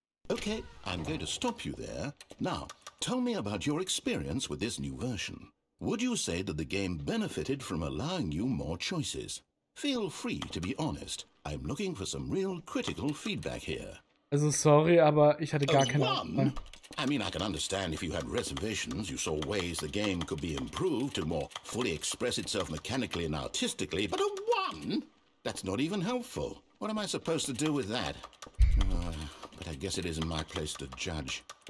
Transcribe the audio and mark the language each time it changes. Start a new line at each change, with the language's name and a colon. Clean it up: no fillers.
English: Okay, I'm going to stop you there. Now, tell me about your experience with this new version. Would you say that the game benefited from allowing you more choices? Feel free to be honest. I'm looking for some real critical feedback here.
German: Also sorry, aber ich hatte gar keine Ahnung.
English: I mean, I can understand if you had reservations, you saw ways the game could be improved to more fully express itself mechanically and artistically, but a one? That's not even helpful. What am I supposed to do with that? But I guess it isn't my place to judge.